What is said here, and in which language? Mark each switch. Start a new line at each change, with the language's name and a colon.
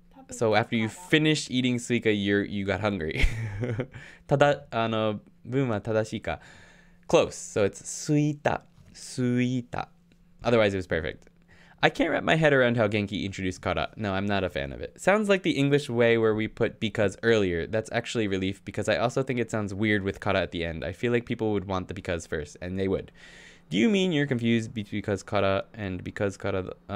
English: So after you finish eating suika, you got hungry.
Japanese: ただ、あの、文は正しいか?
English: Close. So it's suita. Suita. Otherwise, it was perfect. I can't wrap my head around how Genki introduced kara. No, I'm not a fan of it. Sounds like the English way where we put because earlier. That's actually a relief because I also think it sounds weird with kara at the end. I feel like people would want the because first, and they would. Do you mean you're confused because kara and because kara?